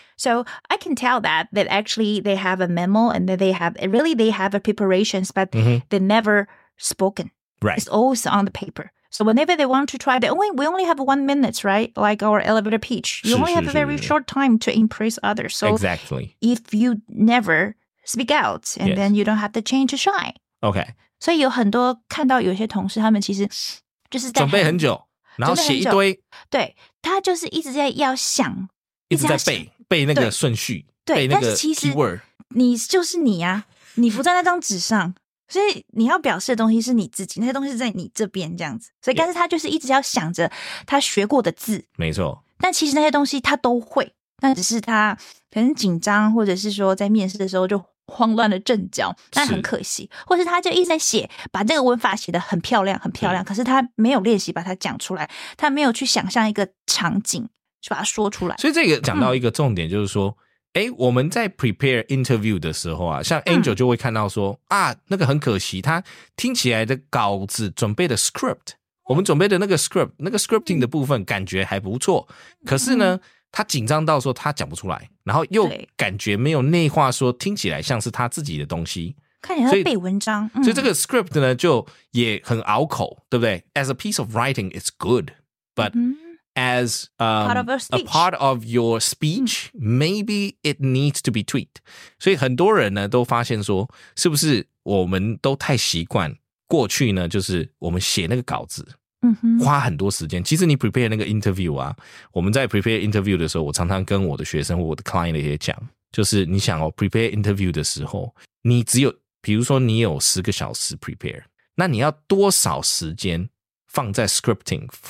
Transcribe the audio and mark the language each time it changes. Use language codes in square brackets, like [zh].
[en] So I can tell that actually they have a memo and that they have, really they have a preparations, but、mm-hmm. they're never spoken. Right. It's always on the paper. So whenever they want to try, we only have 1 minute, right? Like our elevator pitch. You only have a very short time to impress others. So exactly. If you never speak out, and、yes. then you don't have the chance to shine. Okay. [zh] 所以有很多看到有些同事他们其实就是在准备很久然后写一堆。对。他就是一直在要想。一直在背那个顺序。对。背那个 keyword。你就是你啊。你不在那张纸上。所以你要表示的东西是你自己，那些东西是在你这边这样子。所以，但是他就是一直要想着他学过的字，没错。但其实那些东西他都会，但只是他可能紧张，或者是说在面试的时候就慌乱了阵脚，那很可惜。或是他就一直在写，把这个文法写得很漂亮，很漂亮，可是他没有练习把它讲出来，他没有去想象一个场景去把它说出来。所以这个讲到一个重点，就是说。嗯欸我们在 prepare interview 的时候啊像 Angel 就会看到说、嗯、啊那个很可惜他听起来的稿子准备的 script, 我们准备的那个 script, 那个 scripting 的部分感觉还不错可是呢他紧张到说他讲不出来然后又感觉没有内化说听起来像是他自己的东西。看起来他背文章所、嗯。 [en] 所以这个 script 呢就也很拗口对不对 ?As a piece of writing, it's good, but,、嗯As a part of your speech,、mm-hmm. maybe it needs to be tweaked. [zh] 所以很多人呢都发现说，是不是我们都太习惯过去呢？就是我们写那个稿子，花很多时间。其实你 prepare 那个 interview 啊，我们在 prepare interview 的时候，我常常跟我的学生或我的 client 也讲，就是你想哦 ，prepare interview 的时候，你只有比如说你有10个小时 prepare， 那你要多少时间放在 scripting？